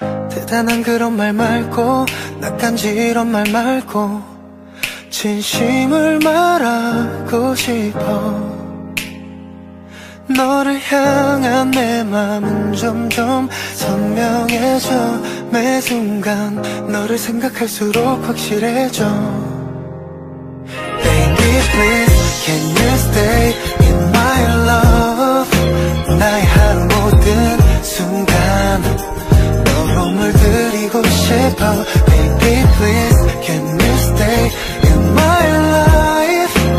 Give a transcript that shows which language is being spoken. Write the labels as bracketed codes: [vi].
[ko] 대단한 그런 말 말고 낯간지런 말 말고 진심을 말하고 싶어. 너를 향한 내 맘은 점점 선명해져. 매 순간 너를 생각할수록 확실해져. [en] Baby please can you stay in my love. [ko] 나의 하루 모든 순간 너로 물들이고 싶어. [en] Baby please can you stay in my life.